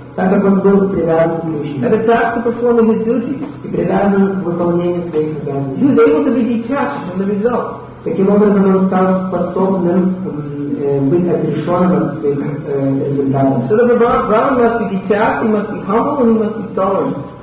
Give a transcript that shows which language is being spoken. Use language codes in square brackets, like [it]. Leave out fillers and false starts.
[ru] Так как он был привязан к Кришне. [en] And attached to performing his duties. [ru] И привязан к выполнению своих обязанностей. [en] He was able to be detached from the result. [ru] Таким образом, он стал способным быть отрешенным от своих результатов. [en] So the Brahman must be detached, he must be humble, and he must be tolerant.